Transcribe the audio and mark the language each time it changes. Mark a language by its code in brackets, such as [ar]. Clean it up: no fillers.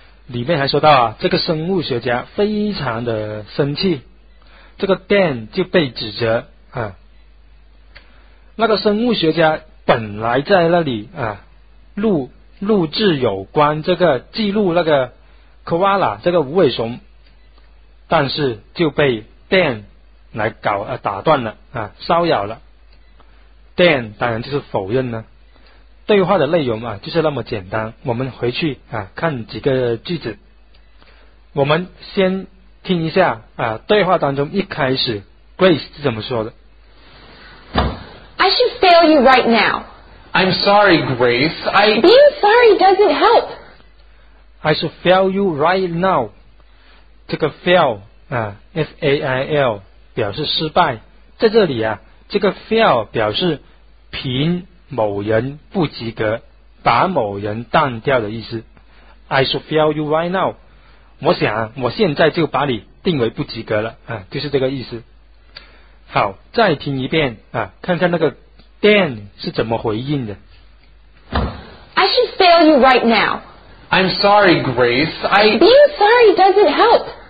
[zh] 里面还说到这个生物学家非常的生气，这个 Dan 就被指责那个生物学家本来在那里录制有关这个记录那个 Koala 这个无尾熊，但是就被 Dan来搞打断了骚扰了。 Dan 当然就是否认了。对话的内容就是那么简单，我们回去看几个句子。我们先听一下对话当中一开始 Grace 是怎么说的。 [en] I should fail you right now. I'm sorry, Grace. Being sorry doesn't help. I should fail you right now. [zh] 这个 fail F-A-I-L表示失败，在这里这个 fail 表示评某人不及格，把某人当掉的意思。 [en] I should fail you right now. [zh] 我想我现在就把你定为不及格了啊，就是这个意思。好，再听一遍啊，看看那个 Dan 是怎么回应的。 [en] I should fail you right now. I'm sorry, Grace. Being sorry doesn't help.